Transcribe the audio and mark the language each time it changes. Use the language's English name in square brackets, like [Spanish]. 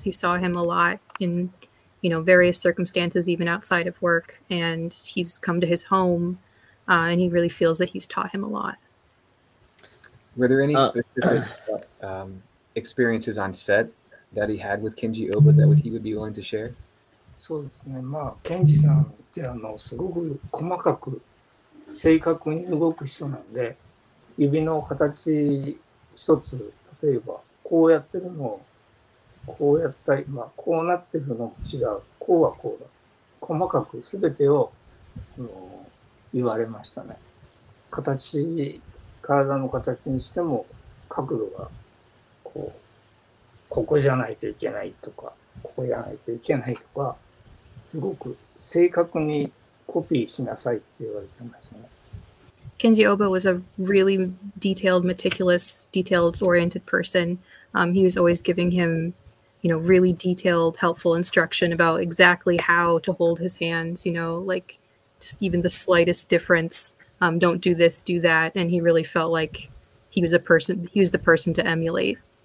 [English] He saw him a lot in, you know, various circumstances, even outside of work. And he's come to his home, and he really feels that he's taught him a lot. Were there any specific experiences on set that he had with Kenji Oba that he would be willing to share? [Japanese] So, Kenji-san, すごく細かく正確に動く人なんで、指の形一つ、例えばこうやってるのこうやったり、まあこうなってるのも違う、こうはこうだ、細かく全てを言われましたね。形、体の形にしてもここじゃないといけないとか、ここじゃないといけないとか、すごく正確にコピーしなさいって言われてましたね。 [English] Kenji Oba was a really detailed, meticulous, detailed-oriented person. He was always giving him, you know, really detailed, helpful instruction about exactly how to hold his hands, you know, like just even the slightest difference. Don't do this, do that. And he really felt like he was a person, he was the person to emulate.